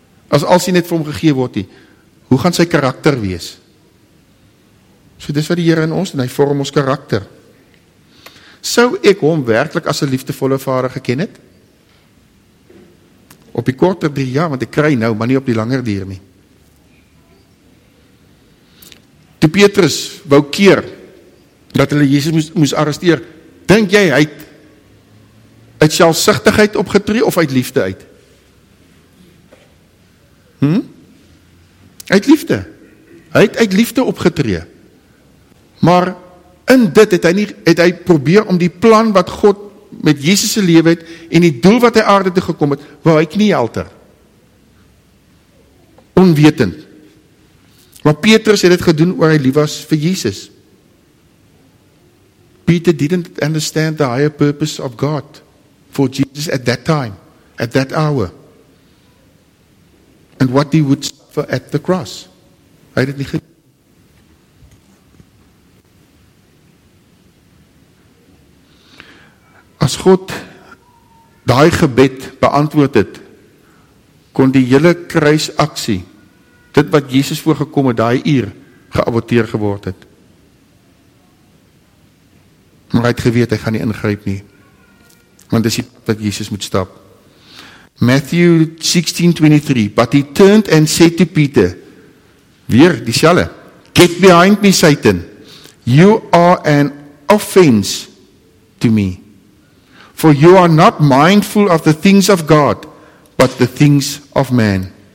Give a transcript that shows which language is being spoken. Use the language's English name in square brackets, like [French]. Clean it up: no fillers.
[Afrikaans] As hy net vir hom gegee word nie, hoe gaan sy karakter wees? So dis wat die Here in ons doen, hy vorm ons karakter. Sou ek hom werklik as 'n liefdevolle vader geken het? Op die korter duur ja, want ek kry nou, maar nie op die langer duur nie. Toe Petrus wou keer dat hulle Jesus moes arresteer, dink jy hy het uit selfsugtigheid opgetree of uit liefde uit? Uit liefde. Hy het uit liefde opgetree. Maar in dit het hy probeer om die plan wat God met Jesus se lewe het en die doel wat hy aarde toe gekom het, wou hy knielter. Onwetend. Maar Petrus het dit gedoen oor hy lief was vir Jesus. [English] Peter didn't understand the higher purpose of God for Jesus at that time, at that hour. And what he would suffer at the cross. [Afrikaans] Hy het dit nie gedoen. As God daai gebed beantwoord het, kon die hele kruisaksie, dit wat Jesus voorgekom het, daai uur, geaborteer geword het. Maar hy het geweet, hy gaan nie ingryp nie. Want dis die wat Jesus moet stap. [English] Matthew 16:23, but he turned and said to Peter, [Afrikaans] weer die selle, [English] get behind me, Satan. You are an offense to me. For you are not mindful of the things of God, but the things of man.